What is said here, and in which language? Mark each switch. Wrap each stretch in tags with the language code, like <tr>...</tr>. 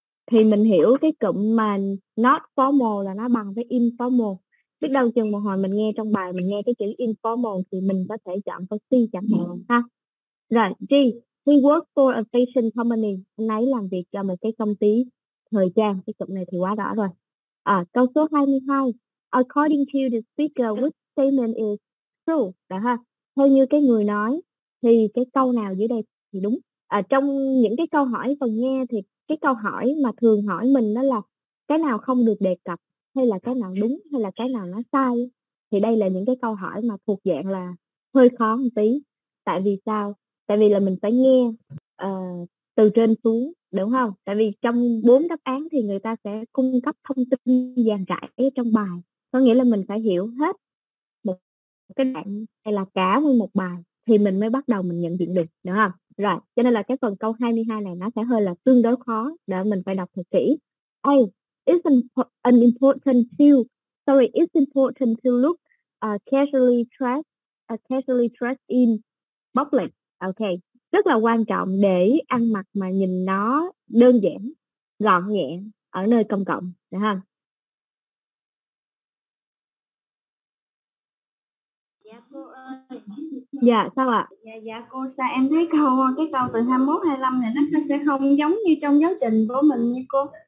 <vi>Thì mình hiểu cái cụm mà not formal là nó bằng với informal. Biết đâu chừng một hồi mình nghe trong bài, mình nghe cái chữ informal thì mình có thể chọn câu C chẳng hạn ha. Rồi, G,</vi> <en>he works for a fashion company.</en> <vi>Anh ấy làm việc cho một cái công ty thời trang. Cái cụm này thì quá rõ rồi. Câu số 22,</vi> <en>according to the speaker, which statement is true?</en> <vi>Đó ha, theo như cái người nói thì cái câu nào dưới đây thì đúng. Trong những cái câu hỏi phần nghe thì cái câu hỏi mà thường hỏi mình đó là cái nào không được đề cập, hay là cái nào đúng, hay là cái nào nó sai. Thì đây là những cái câu hỏi mà thuộc dạng là hơi khó một tí. Tại vì sao? Tại vì là mình phải nghe từ trên xuống, đúng không? Tại vì trong bốn đáp án thì người ta sẽ cung cấp thông tin dàn trải trong bài. Có nghĩa là mình phải hiểu hết một cái đoạn hay là cả nguyên một bài thì mình mới bắt đầu mình nhận diện được, đúng không? Rồi, cho nên là cái phần câu 22 này nó sẽ hơi là tương đối khó để mình phải đọc thật kỹ.</vi> <en>A, it's important to look casually dressed in public.</en> <vi>Okay, rất là quan trọng để ăn mặc mà nhìn nó đơn giản, gọn nhẹ ở nơi công cộng, đúng không? Dạ cô ơi. Dạ sao ạ? Dạ dạ cô, sao em thấy cái câu từ 21-25 này nó sẽ không giống như trong giáo trình của mình nha cô.</vi>